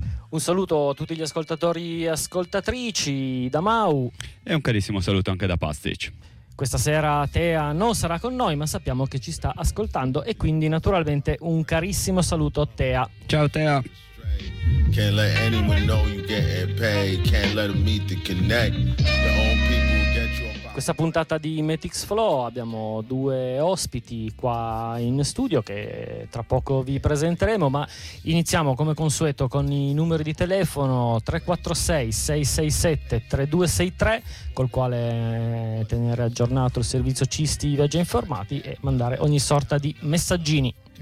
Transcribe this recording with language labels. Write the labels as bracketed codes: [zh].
[it] Un saluto a tutti gli ascoltatori e ascoltatrici da Mau. E un carissimo saluto anche da Pastic. Questa sera Thea non sarà con noi, ma sappiamo che ci sta ascoltando e quindi naturalmente un carissimo saluto a Thea. Ciao Thea. [en] Can't let anyone know you getting paid. Can't let them meet the connect. The own people get you. [it] Questa puntata di Matix Flow abbiamo due ospiti qua in studio che tra poco vi presenteremo, ma iniziamo come consueto con i numeri di telefono 346-667-3263 col quale tenere aggiornato il servizio Cisti Viaggi Informati e mandare ogni sorta di messaggini.